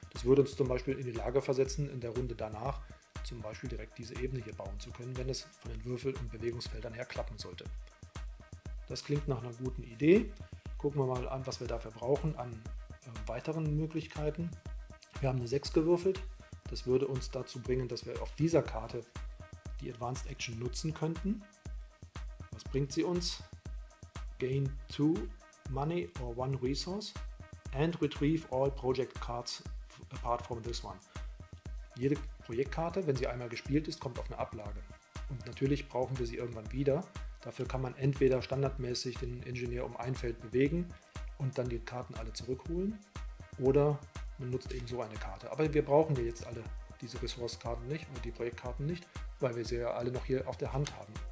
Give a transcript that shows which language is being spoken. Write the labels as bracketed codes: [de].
[de] Das würde uns zum Beispiel in die Lage versetzen, in der Runde danach zum Beispiel direkt diese Ebene hier bauen zu können, wenn es von den Würfel- und Bewegungsfeldern her klappen sollte. Das klingt nach einer guten Idee. Gucken wir mal an, was wir dafür brauchen an weiteren Möglichkeiten. Wir haben eine 6 gewürfelt. Das würde uns dazu bringen, dass wir auf dieser Karte die Advanced Action nutzen könnten. Was bringt sie uns? [en] Gain 2 Money or 1 Resource and retrieve all Project Cards apart from this one. [de] Jede Projektkarte, wenn sie einmal gespielt ist, kommt auf eine Ablage. Und natürlich brauchen wir sie irgendwann wieder. Dafür kann man entweder standardmäßig den Engineer um ein Feld bewegen und dann die Karten alle zurückholen, oder man nutzt eben so eine Karte. Aber wir brauchen ja jetzt alle diese Ressourcekarten nicht und die Projektkarten nicht, weil wir sie ja alle noch hier auf der Hand haben.